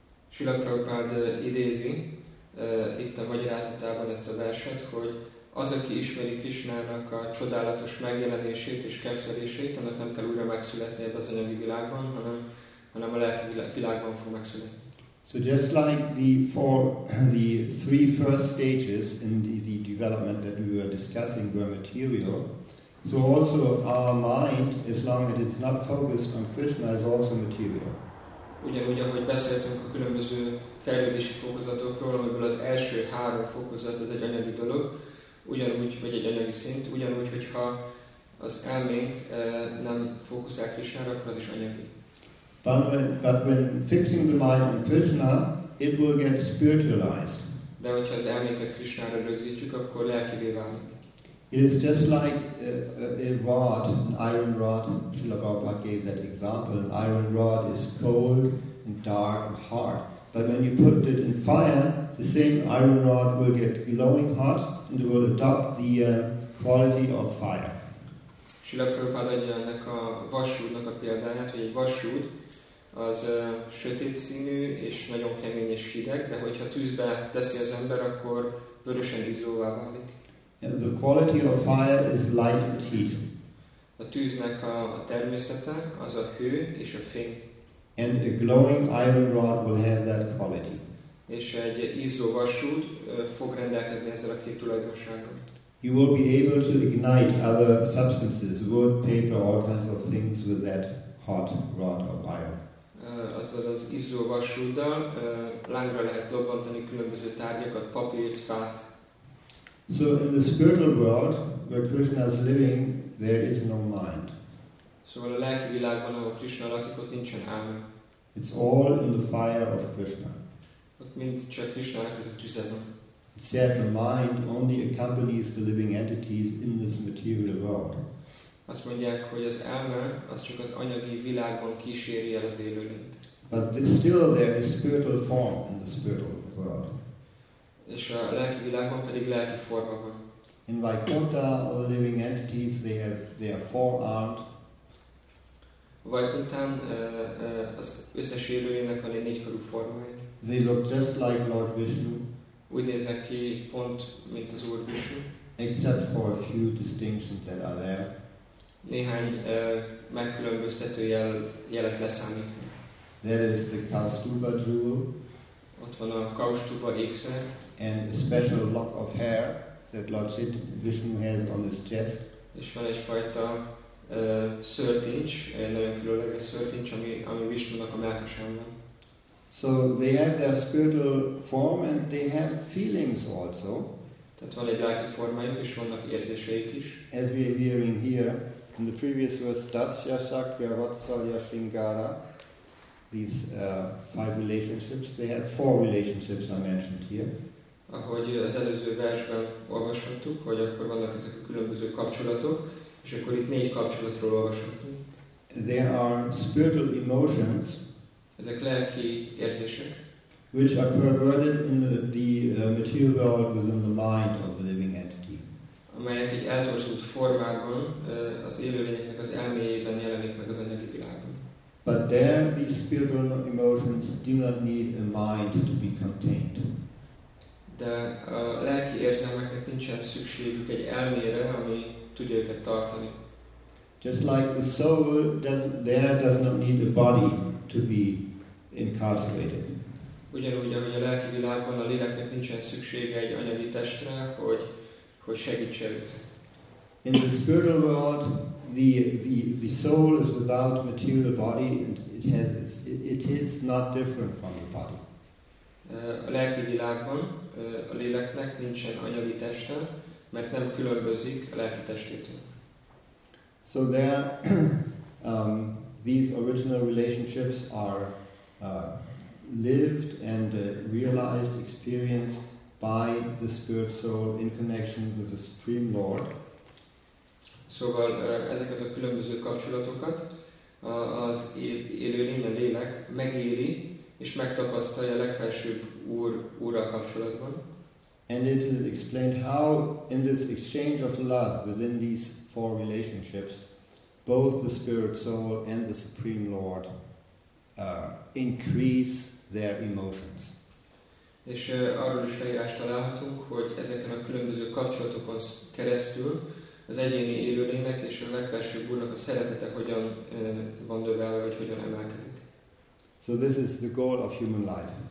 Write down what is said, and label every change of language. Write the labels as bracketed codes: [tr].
[hu] Srila Prabhupada idézi itt a magyarázatában ezt a verset, hogy az, aki ismeri Krishnának a csodálatos megjelenését és keftelését, annak nem kell újra megszületni ebben az anyagi világban, hanem a lelki világban fog megszületni. [en] So just like the three first stages in the development that we were discussing were material, so also our mind, as long as it's not focused on Krishna, is also material. [hu] Ugyanúgy, ahogy beszéltünk a különböző fejlődési fokozatokról, amiből az első három fokozat az egy anyagi dolog, ugyanúgy, vagy egy anyagi szint, ugyanúgy, hogyha az elménk nem fókuszál Krishnára, akkor az is anyagi. [en] But when fixing the mind on Krishna, it will get spiritualized. [hu] De hogyha az elménket Krishnára rögzítjük, akkor lelkivé válik. [en] It is just like a rod, an iron rod. Srila Prabhupada gave that example. An iron rod is cold and dark and hard. But when you put it in fire, the same iron rod will get glowing hot and will adopt the quality of fire. [hu] Srila Prabhupada adja ennek a vasúdnak a példáját, hogy egy vasúd az sötét színű és nagyon kemény és hideg, de hogyha tűzbe teszi az ember, akkor vörösen izzóvá válik. [en] And the quality of fire is light and heat. [hu] A tűznek a természete az a hő és a fény. [en] And a glowing iron rod will have that quality. [hu] És egy izzó vasút fog rendelkezni ezzel a két tulajdonsággal. [en] You will be able to ignite other substances, wood, paper, all kinds of things with that hot rod of iron. [hu] Azzal az izzó vasúddal lángra lehet lobbantani különböző tárgyakat, papírt, fát. [en] So in the spiritual world where Krishna is living, there is no mind. [hu] Szóval a lelki világban, ahol Krishna lakik, ott nincsen álma. [en] It's all in the fire of Krishna. [hu] Ott mind csak Krishna-nak ez a tüze van. [en] It said the mind only accompanies the living entities in this material world. [hu] Azt mondják, hogy az elme az csak az anyagi világban kíséri el az élőlényt. [en] But still there is spiritual form in the spiritual world. [hu] És a lelki világban pedig lelki forma van. [en] In Vaikuntha, all living entities, they are four-armed. [hu] Vaikunthán az összes élőlénynek van egy négykarú formája. [en] They look just like Lord Vishnu. [hu] Úgy néznek ki pont, mint az Úr Vishnu. [en] Except for a few distinctions that are there. [hu] Néhány megkülönböztető jelet leszámítva. [en] There is the Kaustubha jewel. [hu] Ott van a Kaustubha ékszer. [en] And a special lock of hair that Lord Vishnu has on his chest. [hu] És van egyfajta szörtincs, egy nagyon különleges szörtincs, ami Vishnunak a mellkasán van. [en] So they have their spiritual form and they have feelings also. [hu] Tehát van egy lelki formájuk és vannak érzéseik is. [en] As we are hearing here in the previous verse, Dasya Shakya Vatsalya Shingara, these five relationships, they have four relationships are mentioned here. [hu] Ahogy az előző versben olvashattuk, hogy akkor vannak ezek a különböző kapcsolatok, és akkor itt négy kapcsolatról olvashattunk. [en] There are spiritual emotions, [hu] ezek lelki érzések, [en] which are perverted in the material world within the mind of the living entity. [hu] A amelyek egy eltorzult formában az élőlényeknek az elméjében jelenik meg az anyagi világban. [en] But there these spiritual emotions do not need a mind to be contained. [hu] De a lelki érzelmeknek nincsen szükségük egy elmére, ami tudja őket tartani. [en] Just like the soul does not need a body to be incarcerated. [hu] Ugyanúgy, ahogy a lelki világban a léleknek nincsen szüksége egy anyagi testre, hogy segítse őt. [en] In the spiritual world, the soul is without material body and it is not different from the body. [hu] A lelki világban a léleknek nincsen anyagi teste, mert nem különbözik a lelki testétől. [en] So there, these original relationships are lived and realized, experienced by the spirit soul in connection with the Supreme Lord. [hu] Szóval ezeket a különböző kapcsolatokat az élőlény, a lélek megéli és megtapasztalja a legfelsőbb úrral kapcsolatban. [en] And it is explained how in this exchange of love within these four relationships, both the spirit soul and the Supreme Lord increase their emotions. [hu] És arról is leírást találhatunk, hogy ezeken a különböző kapcsolatokon keresztül az egyéni élőlénynek és a legfelsőbb úrnak a szeretete hogyan van növelve, vagy hogyan emelkedik. [en] So this is the goal of human life.